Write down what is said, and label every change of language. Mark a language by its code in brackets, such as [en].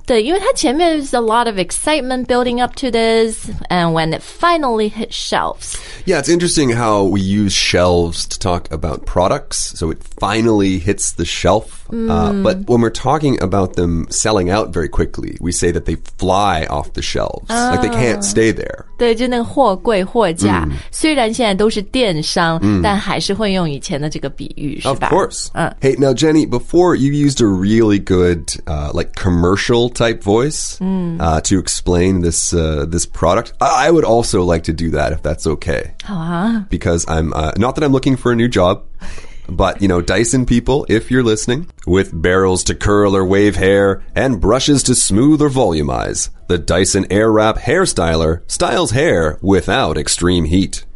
[zh] 对，因为它前面 [en] is a lot of excitement building up to this, and when it finally hit shelves. Yeah, it's interesting how we use shelves to talk about products. So it finally hits the shelf. But when we're talking about them selling out very quickly, we say that they fly off the shelves. Like they can't stay there. [zh] 对，就那个货柜货架，虽然现在都是电商，但还是会用以前的这个比喻，是吧？ [en] Of course. Hey, now Jenny, before you used a really good, like commercial type voice, to explain this, this product. I would also like to do that if that's okay. [zh] 好啊。 [en] Because I'm, not that I'm looking for a new job. But, you know, Dyson people, if you're listening, with barrels to curl or wave hair and brushes to smooth or volumize, the Dyson Airwrap Hairstyler styles hair without extreme heat.